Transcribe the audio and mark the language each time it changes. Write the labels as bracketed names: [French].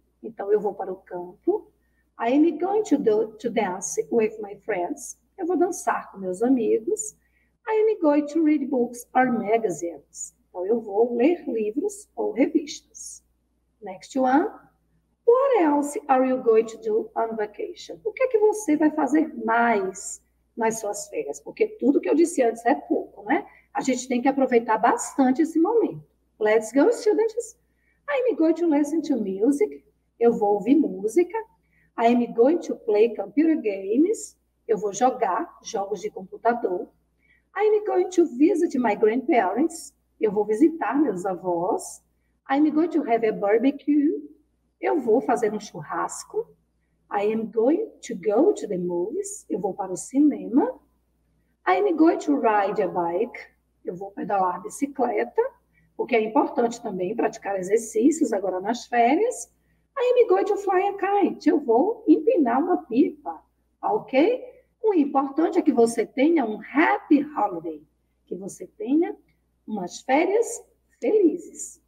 [Portuguese] Então, eu vou para o campo. [English] I am going to dance with my friends. [Portuguese] Eu vou dançar com meus amigos. [English] I'm going to read books or magazines. [Portuguese] Então, eu vou ler livros ou revistas. [English] Next one. What else are you going to do on vacation? [Portuguese] O que é que você vai fazer mais nas suas férias? Porque tudo que eu disse antes é pouco, né? A gente tem que aproveitar bastante esse momento. [English] Let's go, students. I'm going to listen to music. [Portuguese] Eu vou ouvir música. [English] I'm going to play computer games. [Portuguese] Eu vou jogar jogos de computador. [English] I'm going to visit my grandparents. [Portuguese] Eu vou visitar meus avós. [English] I'm going to have a barbecue. [Portuguese] Eu vou fazer um churrasco. [English] I am going to go to the movies. [Portuguese] Eu vou para o cinema. [English] I am going to ride a bike. [Portuguese] Eu vou pedalar a bicicleta, o que é importante também praticar exercícios agora nas férias. [English] I am going to fly a kite. [Portuguese] Eu vou empinar uma pipa, ok? O importante é que você tenha um happy holiday, que você tenha umas férias felizes.